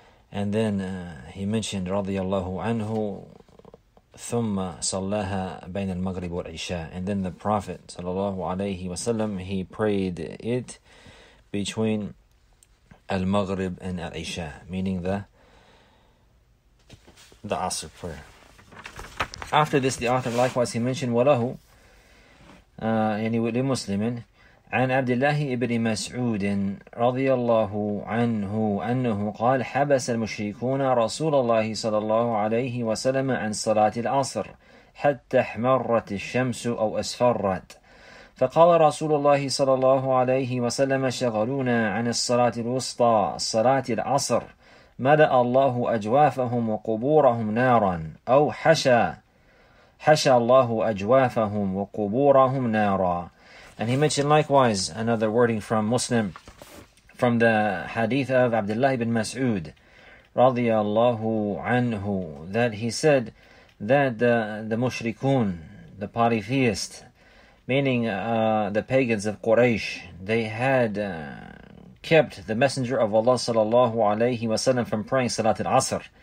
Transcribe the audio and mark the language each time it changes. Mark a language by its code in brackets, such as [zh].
[en] And then he mentioned, radiyallahu anhu, [ar] thumma sallaha bayna al-maghrib wal-isha. [en] And then the Prophet, sallallahu alayhi wa sallam, he prayed it between al-maghrib and al-isha, meaning the Asr prayer. After this, the author likewise, he mentioned, [ar] وَلَهُ يعني لِمُسْلِمٍ عَنْ عَبْدِ اللَّهِ إِبْنِ مَسْعُودٍ رَضِيَ اللَّهُ عَنْهُ أَنَّهُ قَالْ حَبَسَ الْمُشْرِكُونَ رَسُولَ اللَّهِ صَلَى اللَّهُ عَلَيْهِ وَسَلَمَ عَنْ صَلَاةِ الْعَصْرِ حَتَّى حْمَرَّتِ الشَّمْسُ أَوْ أَسْفَرَّتْ فَقَالَ رَسُولُ اللَّهِ صَلَى اللَّهُ عَلَيْهِ وَسَلَمَ شَغَلُونَ عَنِ الصَّلَاةِ الْوُسْطَى صَلَاةِ الْعَصْرِ مَلَأَ اللَّهُ أَجْوَافَهُمْ وَقُبُورَهُمْ نَارًا أَوْ حَشَى اللَّهُ أَجْوَافَهُمْ وَقُبُورَهُمْ نَارًا. [en] And he mentioned likewise another wording from Muslim, from the hadith of Abdullah ibn Mas'ud radiyallahu anhu, that he said that the mushrikun, the polytheist, meaning the pagans of Quraysh, they had kept the Messenger of Allah sallallahu alayhi wa sallam from praying Salat al-Asr.